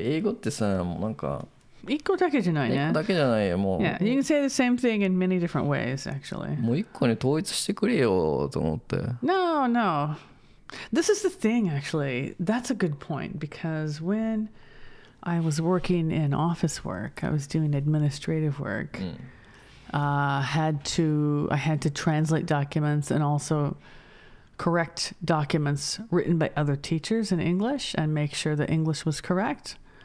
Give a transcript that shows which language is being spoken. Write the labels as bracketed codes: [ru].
[ja] 英語ってさ、もうなんか一個だけじゃないね。一個だけじゃないよ、もう。 [en] Yeah, you can say the same thing in many different ways, actually. [ja] もう一個に統一してくれよと思って。 [en] No, no. This is the thing, actually. That's a good point, because when I was working in office work, I was doing administrative work.、I had to translate documents and also correct documents written by other teachers in English and make sure the English was correct.